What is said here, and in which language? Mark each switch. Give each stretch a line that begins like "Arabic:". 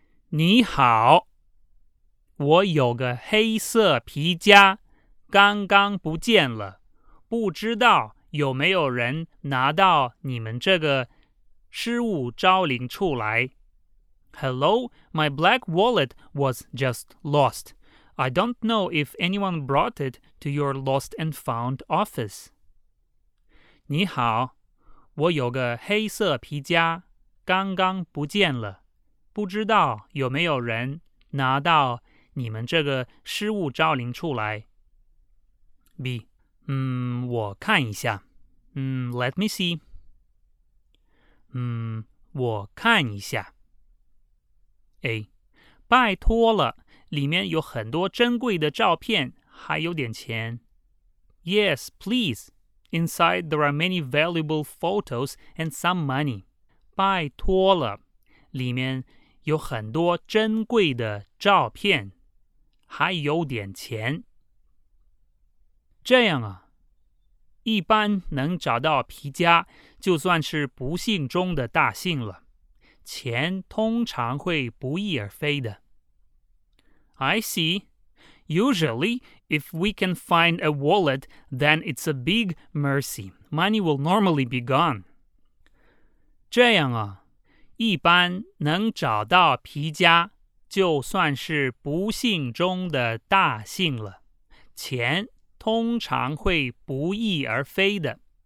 Chinese: 你好，我有个黑色皮夹，刚刚不见了，不知道有没有人拿到你们这个失物招领处来。
English: Hello, my black wallet was just lost. I don't know if anyone brought it to your lost and found office.
Chinese: 你好，我有个黑色皮夹，刚刚不见了，不知道有没有人拿到你们这个失物招领处来。 B, 我看一下。
English: Let me see.
Chinese: 我看一下。 A, 拜托了，里面有很多珍贵的照片，还有点钱。
English: Yes, please. Inside there are many valuable photos and some money.
Chinese: 拜托了，里面有很多珍贵的照片，还有点钱。这样啊，一般能找到皮夹，就算是不幸中的大幸了。钱通常会不翼而飞的。
English: I see. Usually, if we can find a wallet, then it's a big mercy. Money will normally be gone.
Chinese: 这样啊，一般能找到皮夹，就算是不幸中的大幸了。钱通常会不翼而飞的。